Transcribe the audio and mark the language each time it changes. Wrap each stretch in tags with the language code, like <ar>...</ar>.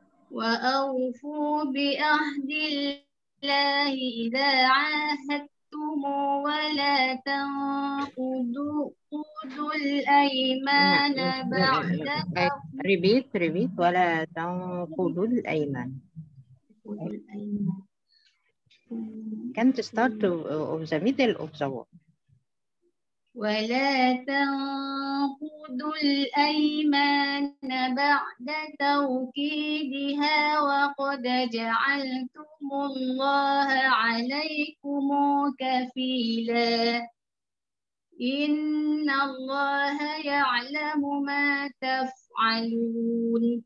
<ar>وأوفوا بعهد الله إذا عاهدتم ولا تنقضوا الأيمان بعد</ar> <en>repeat</en> <ar>ولا تنقضوا الأيمان.</ar> <en>Can you start of the middle of the word?</en> <ar>ولا تنقضوا الأيمان بعد توكيدها وقد جعلتم الله عليكم كفيلا إن الله يعلم ما تفعلون.</ar>